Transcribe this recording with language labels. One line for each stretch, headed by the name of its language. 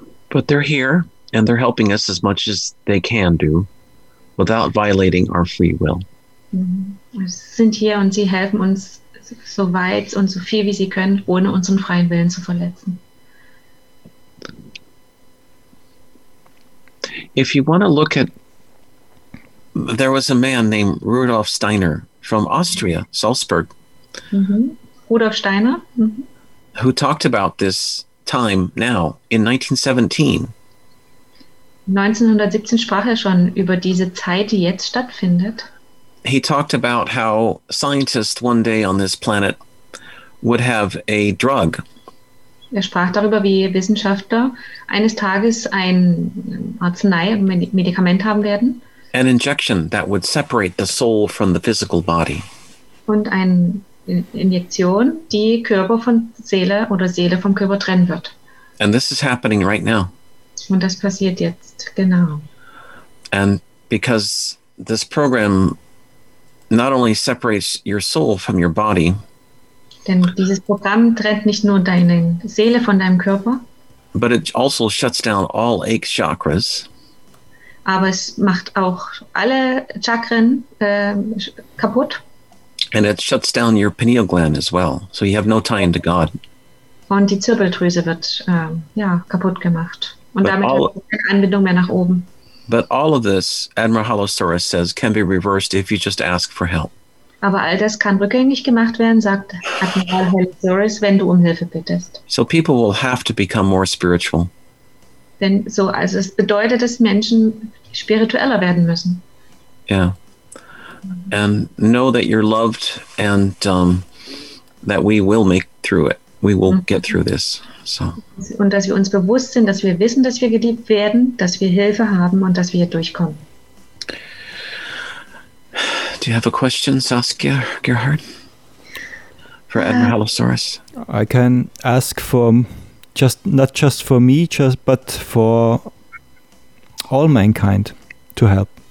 English: But they're here, and they're helping us as much as they can do without violating our free will.
German: Sie sind hier und sie helfen uns so weit und so viel wie sie können, ohne unseren freien Willen zu verletzen.
English: If you want to look at, there was a man named Rudolf Steiner from Austria, Salzburg. Rudolf Steiner, who talked about this time now in 1917.
German: 1917 sprach er schon über diese Zeit, die jetzt stattfindet.
English: He talked about how scientists one day on this planet would have a drug.
German: Er sprach darüber, wie Wissenschaftler eines Tages ein Arznei, ein Medikament haben werden.
English: An injection that would separate the soul from the physical body.
German: Und ein Injektion, die Körper von Seele oder Seele vom Körper trennen wird.
English: And this is happening right now.
German: Und das passiert jetzt, genau.
English: And because this program not only separates your soul from your body,
German: denn dieses Programm trennt nicht nur deine Seele von deinem Körper,
English: but it also shuts down all eight chakras.
German: Aber es macht auch alle Chakren kaputt.
English: And it shuts down your pineal gland as well, so you have no tie into God.
German: Und die Zirbeldrüse wird kaputt gemacht, und but damit all, wird keine Anbindung mehr nach oben.
English: But all of this, Admiral Halosaurus says, can be reversed if you just ask for help.
German: Aber all das kann rückgängig gemacht werden, sagt Admiral Halosaurus, wenn du um Hilfe bittest.
English: So people will have to become more spiritual.
German: Denn so, also es bedeutet, dass Menschen spiritueller werden müssen.
English: Yeah. And know that you're loved, and that we will make through it. We will get through this. So.
German: Und dass wir uns bewusst sind, dass wir wissen, dass wir geliebt werden, dass wir Hilfe haben und dass wir hier durchkommen.
English: Do you have a question, Saskia Gerhard, for Admiral Halosaurus? I can ask for not just for me, but for all mankind to help.